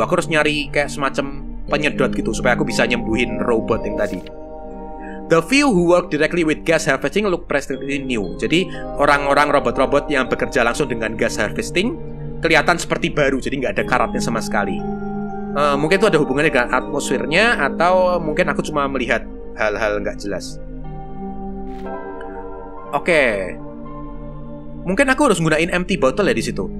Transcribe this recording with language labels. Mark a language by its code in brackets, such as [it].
[id] Aku harus nyari kayak semacam penyedot gitu supaya aku bisa nyembuhin robot yang tadi. [en] The few who work directly with gas harvesting look pretty new. [id] Jadi orang-orang robot-robot yang bekerja langsung dengan gas harvesting kelihatan seperti baru, jadi nggak ada karatnya sama sekali. Mungkin itu ada hubungannya dengan atmosfernya, atau mungkin aku cuma melihat hal-hal nggak jelas. Oke. Mungkin aku harus gunain empty bottle ya di situ.